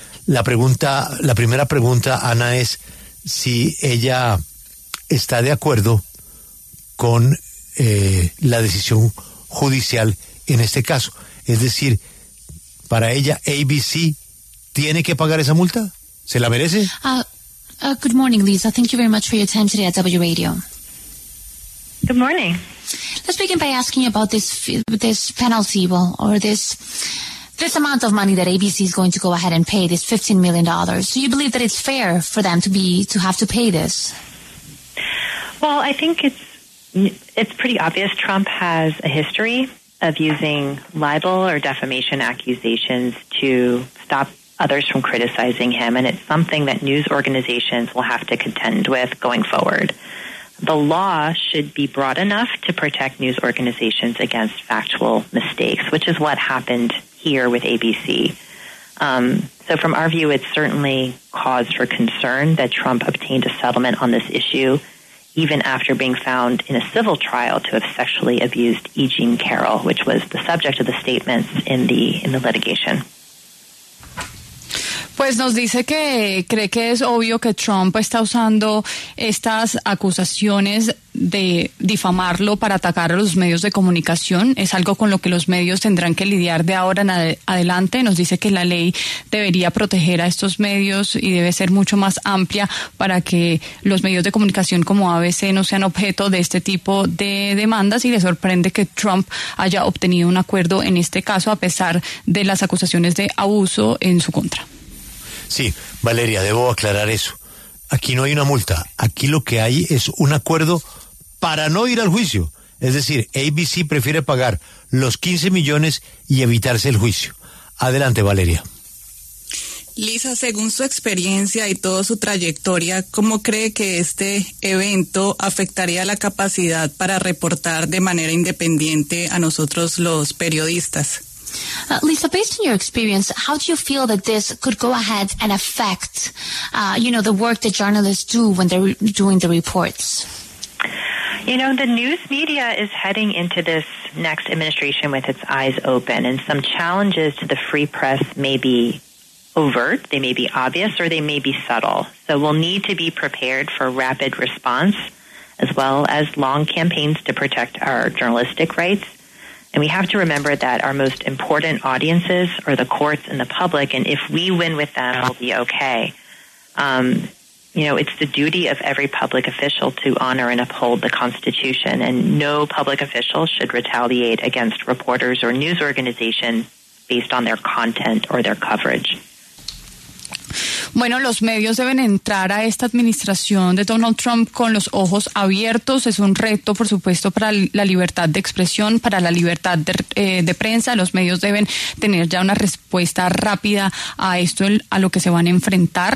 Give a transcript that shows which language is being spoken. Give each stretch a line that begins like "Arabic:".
Spanish: La primera pregunta, Ana, es si ella está de acuerdo con la decisión judicial en este caso. Es decir, para ella, ABC tiene que pagar esa multa. ¿Se la merece?
English: Good morning, Lisa. Thank you very much for your time today at W Radio. Good morning. Let's begin by asking you about this penalty, this amount of money that ABC is going to go ahead and pay, this $15 million. Do you believe that it's fair for them to have to pay this? Well, I think it's pretty obvious. Trump has a history of using libel or defamation accusations to stop others from criticizing him, and it's something that news organizations will have to contend with going forward. The law should be broad enough to protect news organizations against factual mistakes, which is what happened here with ABC. So from our view, it's certainly cause for concern that Trump obtained a settlement on this issue even after being found in a civil trial to have sexually abused E. Jean Carroll, which was the subject of the statements in the litigation.
Spanish: Pues nos dice que cree que es obvio que Trump está usando estas acusaciones de difamarlo para atacar a los medios de comunicación. Es algo con lo que los medios tendrán que lidiar de ahora en adelante. Nos dice que la ley debería proteger a estos medios y debe ser mucho más amplia para que los medios de comunicación como ABC no sean objeto de este tipo de demandas, y le sorprende que Trump haya obtenido un acuerdo en este caso a pesar de las acusaciones de abuso en su contra. Sí, Valeria, debo aclarar eso. Aquí no hay una multa. Aquí lo que hay es un acuerdo para no ir al juicio. Es decir, ABC prefiere pagar los 15 millones y evitarse el juicio. Adelante, Valeria. Lisa, según su experiencia y toda su trayectoria, ¿cómo cree que este evento afectaría la capacidad para reportar de manera independiente a nosotros los periodistas?
English: Lisa, based on your experience, how do you feel that this could go ahead and affect, the work that journalists do when they're doing the reports? You know, the news media is heading into this next administration with its eyes open, and some challenges to the free press may be overt, they may be obvious, or they may be subtle. So we'll need to be prepared for rapid response, as well as long campaigns to protect our journalistic rights. And we have to remember that our most important audiences are the courts and the public, and if we win with them, we'll be okay. It's the duty of every public official to honor and uphold the Constitution, and no public official should retaliate against reporters or news organizations based on their content or their coverage.
Spanish: Bueno, los medios deben entrar a esta administración de Donald Trump con los ojos abiertos. Es un reto, por supuesto, para la libertad de expresión, para la libertad de prensa. Los medios deben tener ya una respuesta rápida a esto, a lo que se van a enfrentar.